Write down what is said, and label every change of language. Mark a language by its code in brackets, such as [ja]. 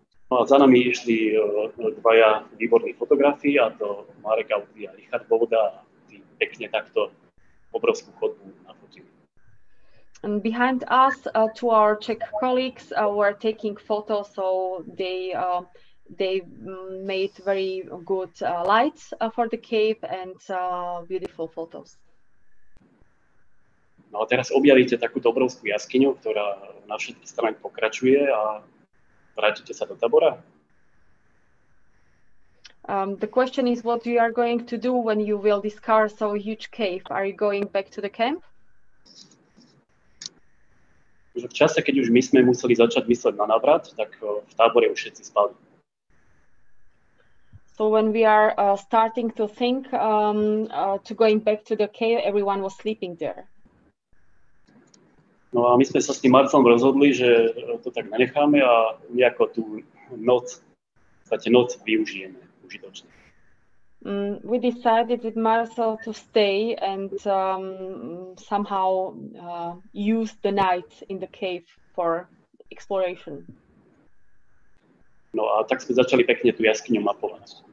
[sk] No a za nami išli dvaja výborní fotografi, a to Marek Audi a Richard Bovoda, tí pekne takto obrovskú chodbu nafotili. [en] And behind us, two our Czech colleagues were taking photos, so they made very good lights for the cave and beautiful photos. [sk] No a teraz objavíte takúto obrovskú jaskyňu, ktorá na všetky strany pokračuje, a vrátite sa do tábora? [en] The question is what you are going to do when you will discover so huge cave. Are you going back to the camp? [sk] Že v čase, keď už my sme museli začať mysleť na návrat, tak v tábore už všetci spali. [en] So when we are starting to think to going back to the cave, everyone was sleeping there. [sk] No a my sme sa s tým Marcelom rozhodli, že to tak nenecháme a nejako tú noc, v podstate noc využijeme užitočne. [en] We decided with Marcel to stay and somehow use the night in the cave for exploration. [sk] No a tak sme začali pekne tú jaskyňu mapovať.